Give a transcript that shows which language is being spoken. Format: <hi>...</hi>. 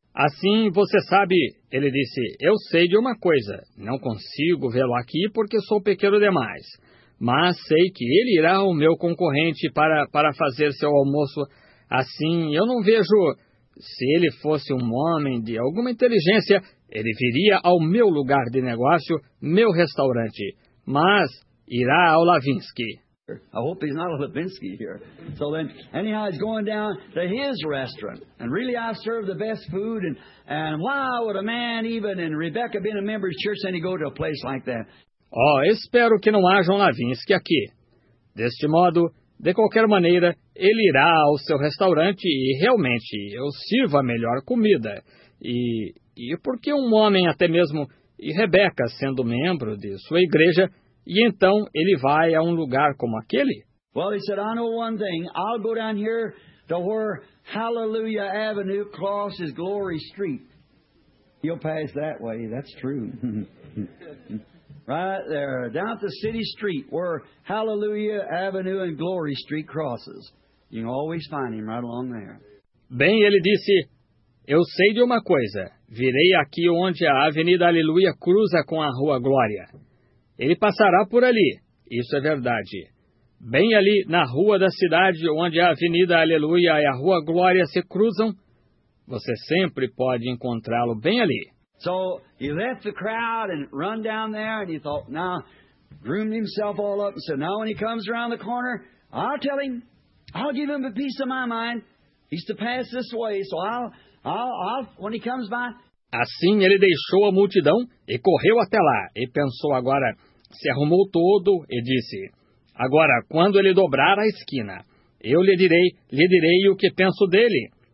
<pt>Assim, você sabe, ele disse, eu sei de uma coisa, não consigo vê-lo aqui porque sou pequeno demais, mas sei que ele irá ao meu concorrente para fazer seu almoço, assim, eu não vejo, se ele fosse um homem de alguma inteligência, ele viria ao meu lugar de negócio, meu restaurante, mas irá ao Levinsky.</pt> <en>I hope he's not a Levinsky here. So then, anyhow, he's going down to his restaurant. And really, I've served the best food. And why would a man even, and Rebecca being a member of church, then he go to a place like that?</en> <pt>Oh, espero que não haja um Levinsky aqui. Deste modo, de qualquer maneira, ele irá ao seu restaurante e realmente eu sirvo a melhor comida. E por que um homem até mesmo, e Rebeca sendo membro de sua igreja, e então ele vai a um lugar como aquele?</pt> <en>Well, he said, I know one thing. I'll go down here to where Hallelujah Avenue crosses Glory Street. He'll pass that way. That's true. Right there, down at the city street where Hallelujah Avenue and Glory Street crosses. You can always find him right along there.</en> <pt>Bem, ele disse, eu sei de uma coisa. Virei aqui onde a Avenida Aleluia cruza com a Rua Glória. Ele passará por ali. Isso é verdade. Bem ali, na rua da cidade, onde a Avenida Aleluia e a Rua Glória se cruzam, você sempre pode encontrá-lo bem ali.</pt> <en>So, he left the crowd and run down there, and he thought, now, groomed himself all up, and said, now when he comes around the corner, I'll tell him, I'll give him a piece of my mind. He's to pass this way, so I'll, when he comes by.</en> <pt>Assim, ele deixou a multidão e correu até lá, e pensou agora, se arrumou todo, e disse, agora, quando ele dobrar a esquina, eu lhe direi o que penso dele.</pt>